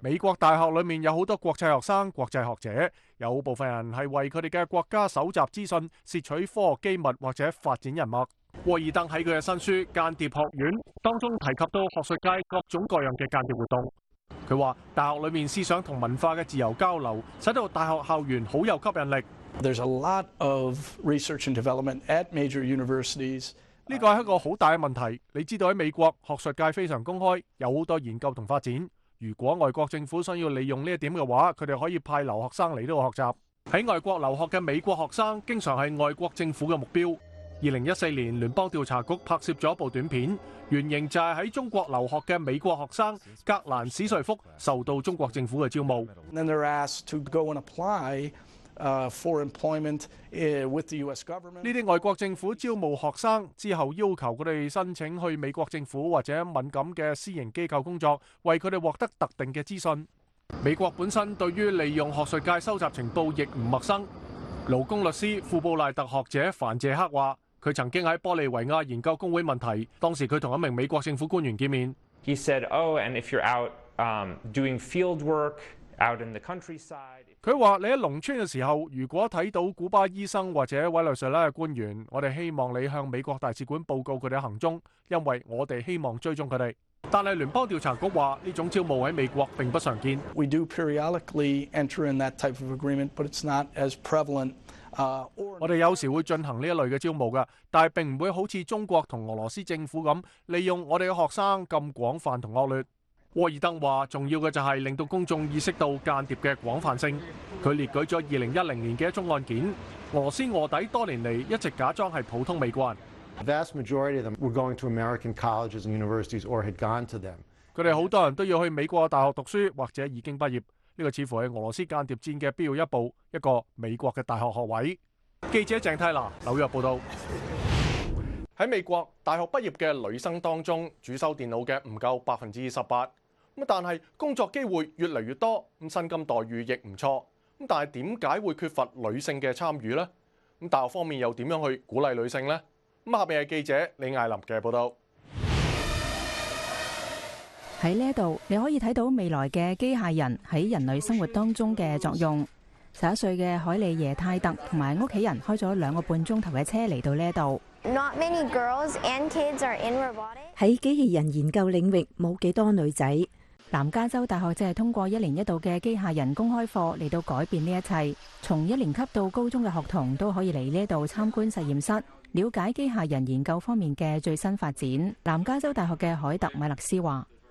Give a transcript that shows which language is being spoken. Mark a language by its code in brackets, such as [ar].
[yue] 美国大学里面有很多国际学生、国际学者，有部分人是为他们的国家搜集资讯、摄取科学机密或者发展人脉。沃尔登在他的新书《间谍学院》当中提及到学术界各种各样的间谍活动。他说大学里面思想和文化的自由交流使到大学校园很有吸引力。 [en] There's a lot of research and development at major universities. [yue] 这个是一个很大的问题。你知道在美国学术界非常公开，有很多研究和发展。如果外国政府想要利用这一点的话，他们可以派留学生来这里学习。在外国留学的美国学生经常是外国政府的目标。 2014年联邦调查局拍摄了一部短片，原型就是在中国留学的美国学生格兰史瑞福受到中国政府的招募。 [en] Then they're asked to go and apply for employment with the US government. [yue] 这些外国政府招募学生之后，要求他们申请去美国政府或者敏感的私营机构工作，为他们获得特定的资讯。美国本身对于利用学术界收集情报亦不陌生。劳工律师、富布赖特学者凡谢克说，他曾经在玻利维亚研究工会问题，当时他和一名美国政府官员见面。 [en] He said, "Oh, and if you're out doing field work out in the countryside," [yue] 他说你在农村的时候，如果看到古巴医生或者委内瑞拉的官员，我们希望你向美国大使馆报告他们的行踪，因为我们希望追踪他们。但是联邦调查局说，这种招募在美国并不常见。 [en] We do periodically enter in that type of agreement, but it's not as prevalent. [yue] 我们有时会进行这一类的招募的，但是并不会好像中国和俄罗斯政府那样利用我们的学生这么广泛和恶劣。沃尔登说，重要的就是令到公众意识到间谍的广泛性。他列举了2010年的一宗案件，俄罗斯卧底多年来一直假装是普通美国人。 [en] The vast majority of them were going to American colleges and universities or had gone to them. [yue] 他们很多人都要去美国大学读书或者已经毕业，这个似乎是俄罗斯间谍战的必要一步，一个美国的大学学位。记者郑蒂娜，纽约报道。在美国大学毕业的女生当中，主修电脑的不够18%，但係工作機會越嚟越多，薪金待遇亦唔錯。但係點解會缺乏女性嘅參與呢？大學方面又點樣去鼓勵女性呢？下面係記者李艾琳嘅報導。喺呢度，你可以睇到未來嘅機械人喺人類生活當中嘅作用。十一歲嘅海莉耶泰特同埋屋企人開咗兩個半鐘頭嘅車嚟到呢度。 [en] Not many girls and kids are in robotics。 [yue] 喺機器人研究領域冇幾多女仔。南加州大學正係通過一年一度嘅機械人公開課嚟到改變呢一切。從一年級到高中嘅學童都可以嚟呢度參觀實驗室，了解機械人研究方面嘅最新發展。南加州大學嘅海特米勒斯話